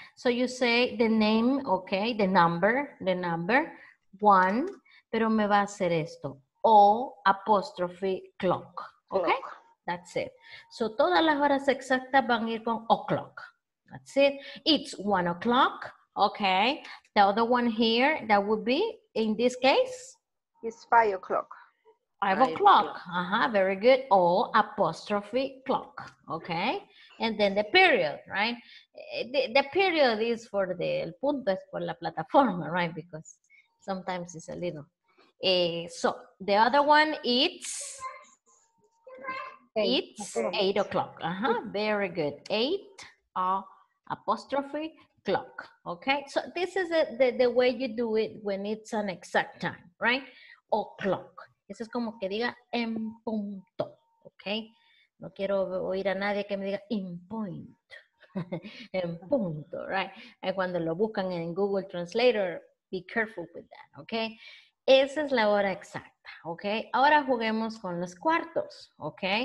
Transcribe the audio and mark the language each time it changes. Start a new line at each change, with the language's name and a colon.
English: So, you say the name, okay? The number, one,
Spanish: pero me va a hacer esto.
English: O, apostrophe, clock, okay? Clock. That's it.
Spanish: So todas las horas exactas van a ir con o'clock.
English: That's it. It's 1 o'clock. Okay. The other one here, that would be, in this case? It's 5 o'clock. 5 o'clock. Uh-huh. Very good. O apostrophe clock. Okay. And then the period, right? The period is for the,
Spanish: el punto es por la plataforma,
English: right? Because sometimes it's a little. So the other one, it's? It's 8 o'clock. Uh-huh. Very good. 8 apostrophe clock. Okay. So this is the way you do it when it's an exact time, right?
Spanish: O'clock. Eso es como que diga en punto. Okay. No quiero oír a nadie que me diga in point. En punto, right? Y cuando lo buscan en Google Translator,
English: be careful with that.
Spanish: Okay. Esa es la hora exacta, ¿ok? Ahora juguemos con los cuartos, ¿ok?